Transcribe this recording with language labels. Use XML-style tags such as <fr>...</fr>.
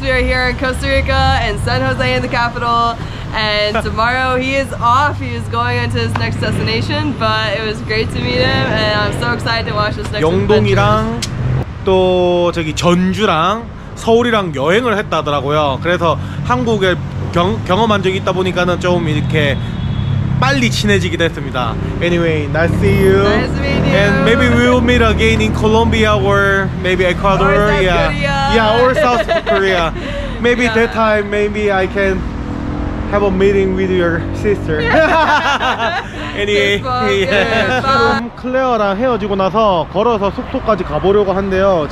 <en>We are here in Costa Rica and San Jose in the capital. And tomorrow he is off. He is going on to his next destination. But it was great to meet him. And I'm so excited to watch this next adventure.</en> <ko>영동이랑 또 저기 전주랑 서울이랑 여행을 했다더라고요. 그래서 한국에 경험한 적이 있다 보니까는 좀 이렇게 빨리 친해지기도 했습니다.</ko> <en>Anyway, nice to see you. Nice to meet you. And maybe we will meet again in Colombia or maybe Ecuador. Or South yeah. Korea. Yeah, or South Korea. Maybe yeah. that time, maybe I can have a meeting with your sister. anyway, yeah.</en> <ko>지금 클레어랑 헤어지고 나서 걸어서 숙소까지 가보려고 한데요.</ko>